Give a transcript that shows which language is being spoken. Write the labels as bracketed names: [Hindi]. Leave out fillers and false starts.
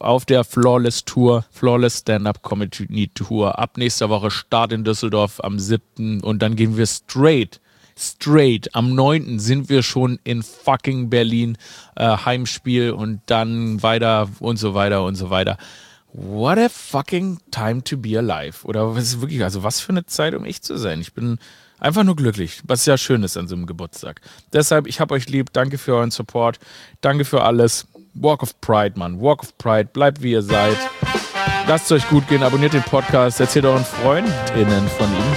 [German] Auf der Flawless Stand-Up Comedy Tour, ab nächster Woche Start in Düsseldorf am 7. und dann gehen wir straight, am 9. sind wir schon in fucking Berlin, Heimspiel und dann weiter und so weiter und so weiter. [English] What a fucking time to be alive. [German] Oder was ist wirklich, also was für eine Zeit, um ich zu sein. Ich bin einfach nur glücklich, was ja schön ist an so einem Geburtstag. Deshalb, ich hab euch lieb, danke für euren Support, danke für alles. Walk of Pride, Mann, Walk of Pride, bleibt wie ihr seid. Lasst es euch gut gehen, abonniert den Podcast, erzählt euren Freundinnen von ihm.